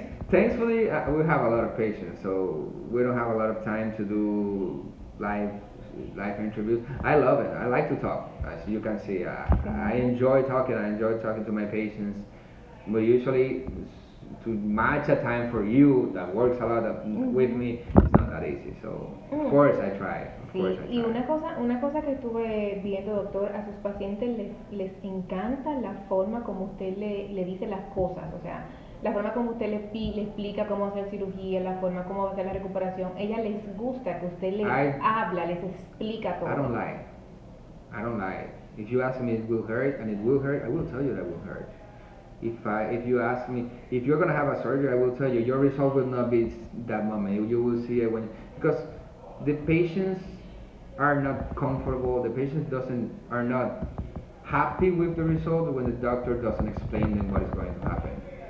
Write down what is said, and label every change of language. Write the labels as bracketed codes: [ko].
[en] Thankfully, we have a lot of patients, so we don't have a lot of time to do live interviews. I love it. I like to talk, as you can see. I enjoy talking. I enjoy talking to my patients. But usually, to match a time for you that works a lot with me, easy. So, of course I try. [es] Y una cosa que estuve viendo, doctor, a sus pacientes les encanta la forma como usted le dice las cosas, o sea, la forma como usted le explica cómo hacer cirugía, la forma como hacer la recuperación. Ella les gusta que usted les explica todo. [en] I don't lie. If you ask me it will hurt, I will tell you that it will hurt. If you ask me, if you're going to have a surgery, I will tell you, your result will not be that moment. You will see it when, because the patients are not comfortable, the patients are not happy with the result when the doctor doesn't explain them what is going to happen.